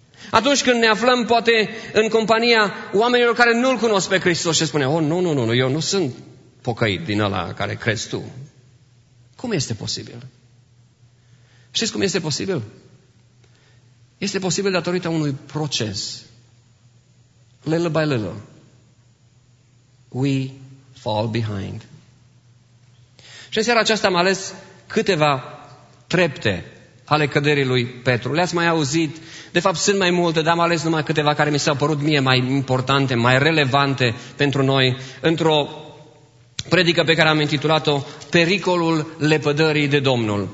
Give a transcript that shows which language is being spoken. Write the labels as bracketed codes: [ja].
[ro] Atunci când ne aflăm poate în compania oamenilor care nu-L cunosc pe Hristos și spune: oh, nu, eu nu sunt pocăit din ăla care crezi tu. Cum este posibil? Știți cum este posibil? Este posibil datorită unui proces. [en] Little by little, we fall behind. [ro] Și în seara aceasta am ales câteva trepte ale căderii lui Petru. Le-ați mai auzit? De fapt, sunt mai multe, dar am ales numai câteva care mi s-au părut mie mai importante, mai relevante pentru noi, într-o predică pe care am intitulat-o Pericolul lepădării de Domnul.